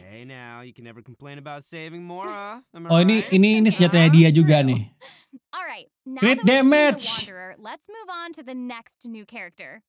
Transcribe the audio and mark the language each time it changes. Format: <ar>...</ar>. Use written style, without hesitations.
<en>Hey now, you can never complain about saving mora.</en> <id>Ini senjatanya dia juga nih.</id> <en>All right. Crit damage. Wanderer, let's move on to the next new character.</en>